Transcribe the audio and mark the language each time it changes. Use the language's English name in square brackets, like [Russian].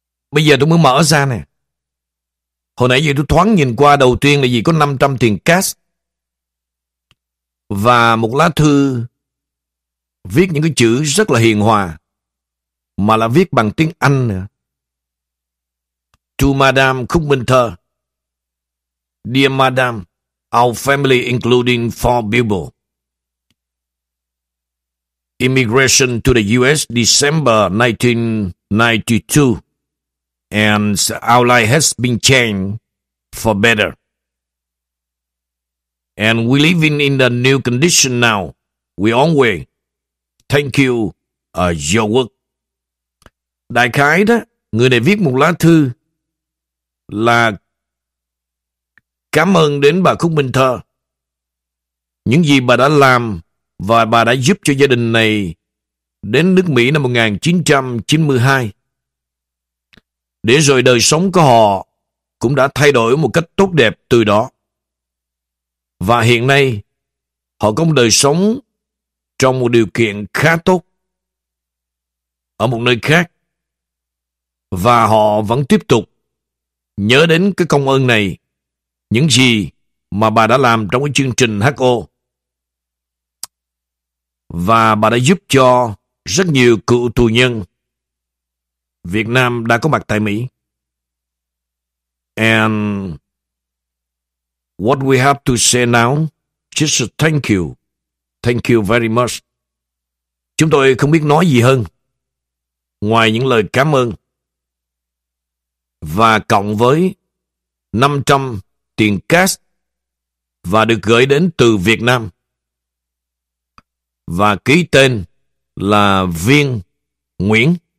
[Vietnamese] Bây giờ tôi mới mở ra nè. Hồi nãy giờ tôi thoáng nhìn qua, đầu tiên là gì, có 500 tiền cash và một lá thư viết những cái chữ rất là hiền hòa, mà là viết bằng tiếng Anh nữa. [English] To Madame Khúc Minh Thơ. Dear Madame, our family including four people. Immigration to the US December 1992 and our life has been changed for better. And we're living in the new condition now. We on way. Thank you. Your work. [Vietnamese] Đại khái đó, người này viết một lá thư là cảm ơn đến bà Khúc Minh Thơ. Những gì bà đã làm và bà đã giúp cho gia đình này đến nước Mỹ năm 1992. Để rồi đời sống của họ cũng đã thay đổi một cách tốt đẹp từ đó. Và hiện nay, họ có một đời sống trong một điều kiện khá tốt ở một nơi khác. Và họ vẫn tiếp tục nhớ đến cái công ơn này, những gì mà bà đã làm trong cái chương trình HO. Và bà đã giúp cho rất nhiều cựu tù nhân Việt Nam đã có mặt tại Mỹ. [English] And what we have to say now, just thank you. Thank you very much. [Vietnamese] Chúng tôi không biết nói gì hơn ngoài những lời cảm ơn. Và cộng với 500 tiền cash và được gửi đến từ Việt Nam. Và ký tên là Viên Nguyễn.